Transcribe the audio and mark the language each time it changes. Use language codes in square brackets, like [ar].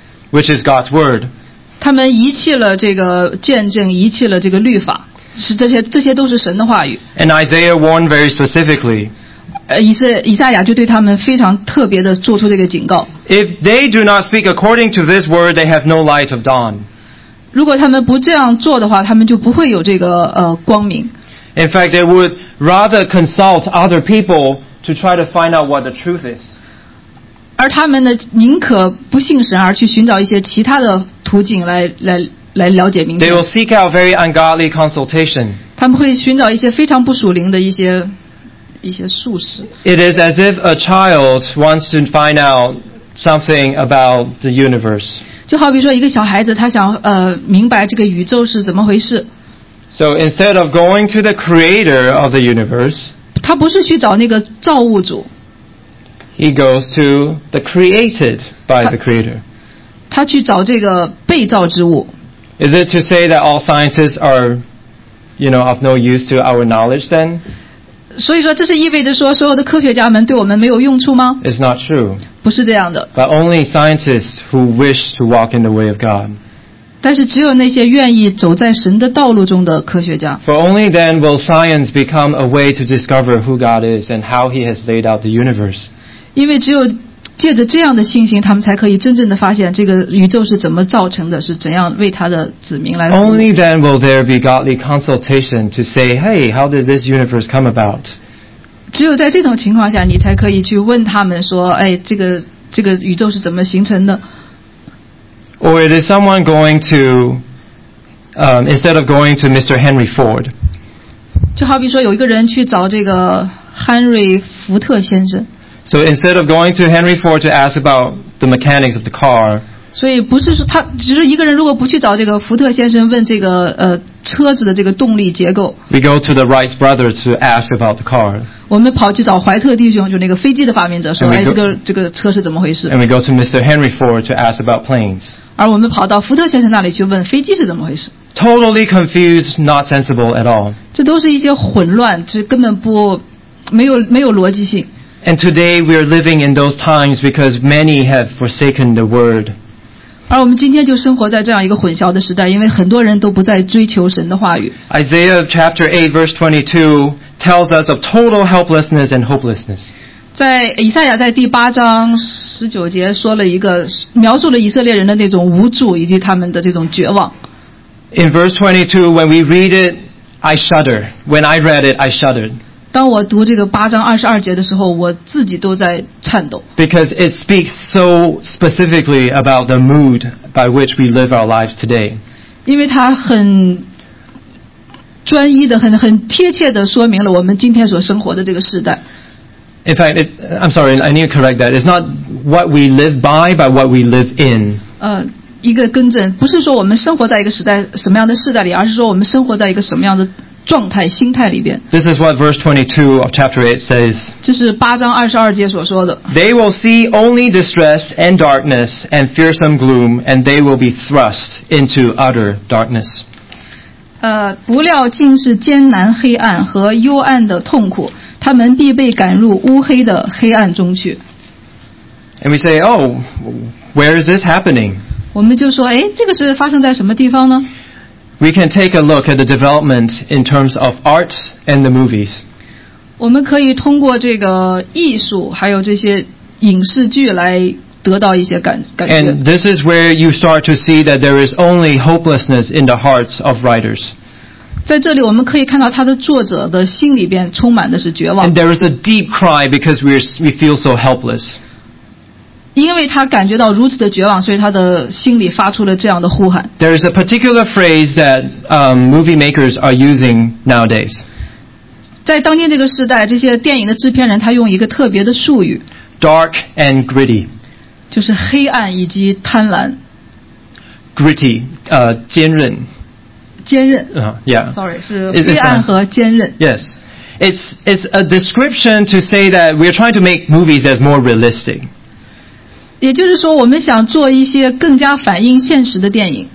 [en] Which is God's word. [zh] 他们遗弃了这个见证，遗弃了这个律法，是这些都是神的话语。 [en] And Isaiah warned very specifically. [zh] 以赛亚就对他们非常特别的做出这个警告。 [en] If they do not speak according to this word, they have no light of dawn. [zh] 如果他们不这样做的话，他们就不会有这个光明。 [en] In fact, they would rather consult other people to try to find out what the truth is. [zh] 而他们呢，宁可不信神，而去寻找一些其他的途径来了解明天。 [en] They will seek out very ungodly consultation. [zh] 他们会寻找一些非常不属灵的一些术士。 [en] It is as if a child wants to find out something about the universe. [zh] 就好比说一个小孩子，他想明白这个宇宙是怎么回事。 [en] So instead of going to the creator of the universe, [zh] 他不是去找那个造物主。 [en] He goes to the created by the creator. [zh] 他去找这个被造之物。 [en] Is it to say that all scientists are, you know, of no use to our knowledge then? [zh] 所以说这是意味着说所有的科学家们对我们没有用处吗？ [en] It's not true. [zh] 不是这样的。 [en] But only scientists who wish to walk in the way of God. [zh] 但是只有那些愿意走在神的道路中的科学家。 [en] For only then will science become a way to discover who God is and how he has laid out the universe. [zh] 因为只有借着这样的信心，他们才可以真正的发现这个宇宙是怎么造成的，是怎样为他的子民来服务。 [en] Only then will there be godly consultation to say, "Hey, how did this universe come about?" [zh] 只有在这种情况下，你才可以去问他们说，哎，这个宇宙是怎么形成的 [en] ？Or it is someone going to, instead of going to Mr. Henry Ford? [zh] 就好比说，有一个人去找这个亨利·福特先生。 [en] So instead of going to Henry Ford to ask about the mechanics of the car, [zh] 所以不是说他就是一个人如果不去找这个福特先生问这个车子的这个动力结构 [en] ，we go to the Wright brothers to ask about the car. [zh] 我们跑去找怀特弟兄，就那个飞机的发明者，说哎这个车是怎么回事 [en] ？And we go to Mr. Henry Ford to ask about planes. [zh] 而我们跑到福特先生那里去问飞机是怎么回事 [en] ？Totally confused, not sensible at all. [zh] 这都是一些混乱，这根本不没有逻辑性。 [en] And today we are living in those times because many have forsaken the word. [zh] 而我们今天就生活在这样一个混淆的时代，因为很多人都不再追求神的话语。 [en] Isaiah chapter 8 verse 22 tells us of total helplessness and hopelessness. [zh] 在以赛亚在第八章十九节说了一个描述了以色列人的那种无助以及他们的这种绝望。 [en] In verse 22, when we read it, I shudder. When I read it, I shuddered. [zh] 当我读这个八章二十二节的时候，我自己都在颤抖。 [en] Because it speaks so specifically about the mood by which we live our lives today. [zh] 因为它很专一的、很贴切的说明了我们今天所生活的这个时代。 [en] In fact, I'm sorry, I need to correct that. It's not what we live by, but what we live in. [zh] 一个更正，不是说我们生活在一个时代什么样的时代里，而是说我们生活在一个什么样的。状态心态里边。 [en] This is what verse 22 of chapter 8 says. [zh] 这是八章二十二节所说的。 [en] They will see only distress and darkness and fearsome gloom, and they will be thrust into utter darkness. [zh] 不料竟是艰难黑暗和幽暗的痛苦，他们必被赶入乌黑的黑暗中去。 [en] And we say, oh, where is this happening? [zh] 我们就说，哎，这个是发生在什么地方呢？ [en] We can take a look at the development in terms of art and the movies. [zh] 我们可以通过这个艺术还有这些影视剧来得到一些感觉。 [en] And this is where you start to see that there is only hopelessness in the hearts of writers. [zh] 在这里我们可以看到他的作者的心里边充满的是绝望。 [en] And there is a deep cry because we feel so helpless. [zh] 因为他感觉到如此的绝望，所以他的心里发出了这样的呼喊。 [en] There is a particular phrase that movie makers are using nowadays. [zh] 在当今这个时代，这些电影的制片人他用一个特别的术语。 [en] Dark and gritty. [zh] 就是黑暗以及贪婪。 Gritty, 坚韧。坚韧。 Yeah. Sorry, 是黑暗和坚韧。 [en] Yes, it's a description to say that we're trying to make movies that's more realistic. [zh] 也就是说我们想做一些更加反映现实的电影。